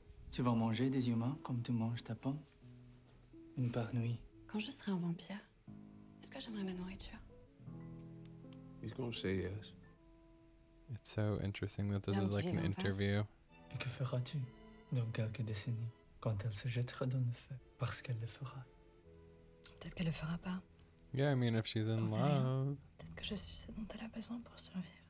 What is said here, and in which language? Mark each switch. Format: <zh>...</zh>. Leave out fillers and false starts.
<fr>Tu vas manger des humains comme tu manges ta pomme? Une par nuit. Quand je serai un vampire, est-ce que j'aimerais ma nourriture?</fr> <en>He's gonna say yes. It's so interesting that this is like an interview.</en> <fr>Et que feras-tu dans quelques décennies quand elle se jettera dans le feu parce qu'elle le fera? Peut-être qu'elle le fera pas.</fr> <en>Yeah, I mean, if she's in love.</en> <fr>Peut-être que je suis ce dont elle a besoin pour survivre.</fr>